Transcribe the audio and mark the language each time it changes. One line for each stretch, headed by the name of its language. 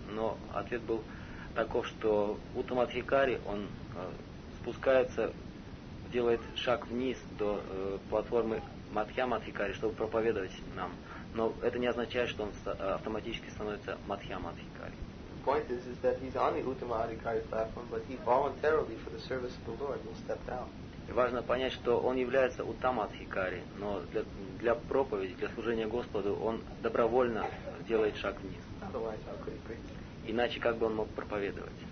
Russian: Но ответ был таков, что Уттамадхикари, он спускается, делает шаг вниз до платформы Мадхьямадхикари, чтобы проповедовать нам. Но это не означает, что он автоматически становится Мадхьямадхикари.
English: Point is that he's on the Uttamadhikari platform, but he voluntarily, for the service of the Lord, will step down.
Russian: Важно понять, что он является Уттамадхикари, но для проповеди, для служения Господу, он добровольно делает шаг вниз.
English: Otherwise, how could he preach? Иначе как бы он мог проповедовать?